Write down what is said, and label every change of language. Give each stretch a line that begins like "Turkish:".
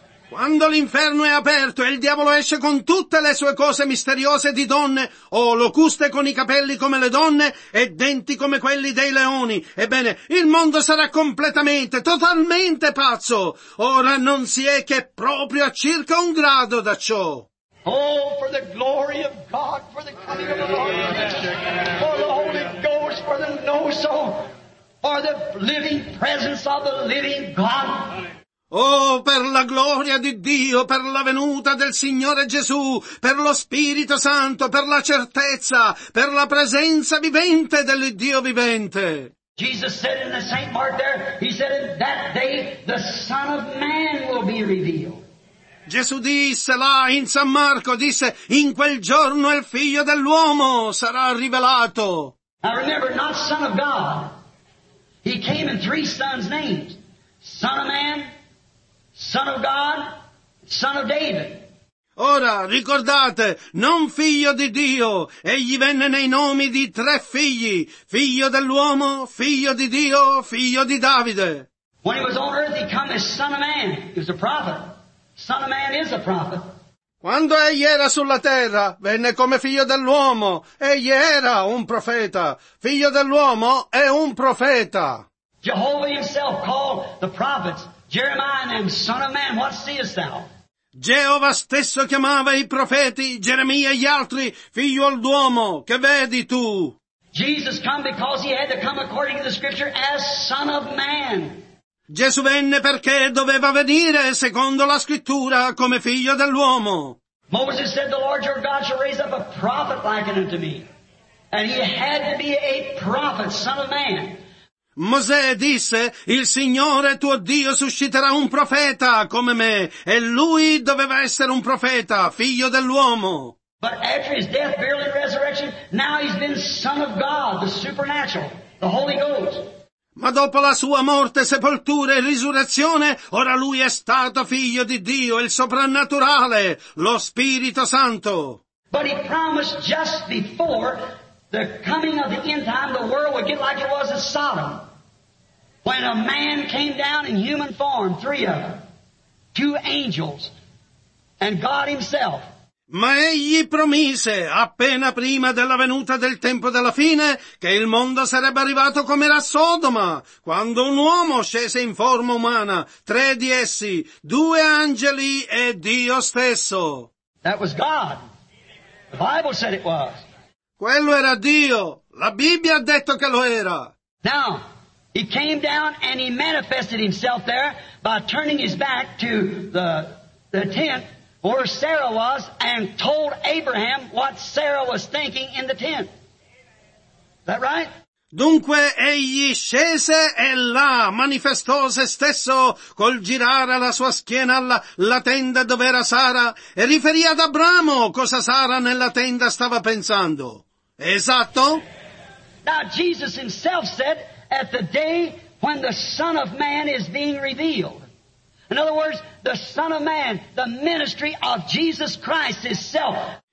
Italian: Quando l'inferno è aperto e il diavolo esce con tutte le sue cose misteriose di donne, o locuste con i capelli come le donne e denti come quelli dei leoni, ebbene, il mondo sarà completamente, totalmente pazzo. Ora non si è che proprio a circa un grado da ciò.
English: Oh, for the glory of God, for the coming of the Lord, for the Holy Ghost, for the no-so. For the living presence of the living God.
Italian: Oh, per la gloria di Dio, per la venuta del Signore Gesù, per lo Spirito Santo, per la certezza, per la presenza vivente del Dio vivente.
English: Jesus said in the St. Mark there, he said in that day the Son of Man will be revealed.
Italian: Gesù disse là in San Marco, disse, in quel giorno il Figlio dell'uomo sarà rivelato.
English: Now remember, not Son of God. He came in three sons' names. Son of Man, Son of God, Son of David.
Italian: Ora, ricordate, non figlio di Dio, egli venne nei nomi di tre figli, figlio dell'uomo, figlio di Dio, figlio di Davide.
English: When he was on earth, he came as Son of Man. He was a prophet. Son of Man is a prophet.
Italian: Quando egli era sulla terra, venne come figlio dell'uomo, egli era un profeta. Figlio dell'uomo è un profeta.
English: Jehovah himself called the prophets, Jeremiah and Son of Man, what seest thou?
Italian: Geova stesso chiamava i profeti, Geremia e gli altri, figlio d'uomo, che vedi tu?
English: Jesus came because he had to come according to the scripture as Son of Man.
Italian: Gesù venne perché doveva venire secondo la scrittura come figlio dell'uomo.
English: Moses said the Lord your God shall raise up a prophet like unto me. And he had to be a prophet, Son of Man.
Italian: Mosè disse, il Signore tuo Dio susciterà un profeta come me, e lui doveva essere un profeta, figlio dell'uomo.
English: But after his death, burial, and resurrection, now he's been Son of God, the supernatural, the Holy Ghost.
Italian: Ma dopo la sua morte, sepoltura e risurrezione, ora lui è stato figlio di Dio, il soprannaturale, lo Spirito Santo.
English: But he promised just before the coming of the end time, the world would get like it was in Sodom. When a man came down in human form, three of them, two angels, and God himself.
Italian: Ma egli promise, appena prima della venuta del tempo della fine, che il mondo sarebbe arrivato come era Sodoma, quando un uomo scese in forma umana, tre di essi, due angeli e Dio stesso.
English: That was God. The Bible said it was.
Italian: Quello era Dio. La Bibbia ha detto che lo era.
English: Now, he came down and he manifested himself there by turning his back to the tent where Sarah was and told Abraham what Sarah was thinking in the tent. Is that right?
Italian: Dunque, egli scese e là manifestò se stesso col girare la sua schiena alla la tenda dove era Sara e riferì ad Abramo cosa Sara nella tenda stava pensando. Esatto.
English: Now Jesus himself said at the day when the Son of Man is being revealed. In other words, the Son of Man, the ministry of Jesus Christ himself.